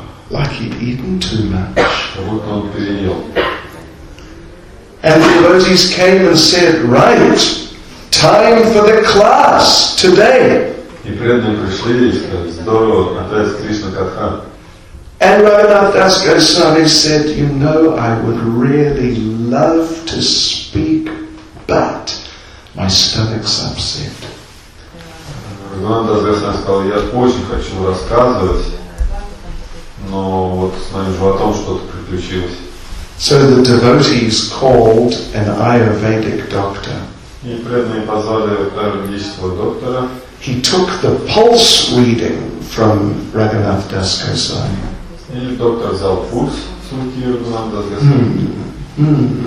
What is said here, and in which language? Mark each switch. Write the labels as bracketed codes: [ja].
[en] Like he'd eaten too much. [ru] Вот он переел. [en] And the devotees came and said, right, time for the class today. [ru] И при этом пришли и сказали, здорово, отец Кришна Катха. [en] And Raghunath Das Goswami said, you know, I would really love to speak, but my stomach's upset. [ru] Раганат Дас Госвами сказал, я очень хочу рассказывать, но вот с моим животом что-то приключилось. [en] So the devotees called an Ayurvedic doctor. [ru] И преданные позвали аюрведического доктора. [en] He took the pulse reading from Raghunath Das Goswami. [ru] И доктор взял пульс с руки Раганат Дас Госвами.